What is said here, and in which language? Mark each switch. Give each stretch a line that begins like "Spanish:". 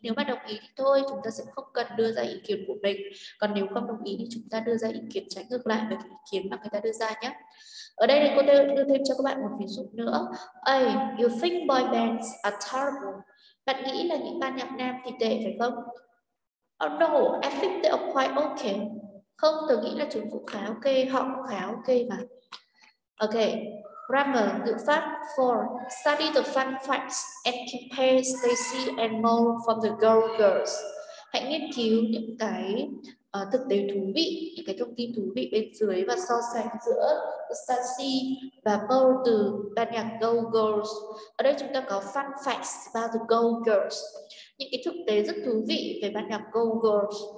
Vietnamese: Nếu mà đồng ý thì thôi, chúng ta sẽ không cần đưa ra ý kiến của mình. Còn nếu không đồng ý thì chúng ta đưa ra ý kiến trái ngược lại với ý kiến mà người ta đưa ra nhé. Ở đây thì cô đưa thêm cho các bạn một ví dụ nữa.
English: A, you think boy bands are terrible.
Vietnamese: Bạn nghĩ là những ban nhạc nam thì tệ phải không?
English: Oh no, I think they are quite okay.
Vietnamese: Không, tôi nghĩ là chúng cũng khá ok, họ cũng khá ok mà.
English: Ok, grammar, ngữ pháp. 4. Study the fun facts and compare Stacy and Mo from the Girl Girls.
Vietnamese: Hãy nghiên cứu những cái thực tế thú vị, những cái thông tin thú vị bên dưới và so sánh giữa Stacy và Mo từ ban nhạc Girl Girls. Ở đây chúng ta có
English: fun facts about the Girl Girls,
Vietnamese: những cái thực tế rất thú vị về ban nhạc Girl Girls.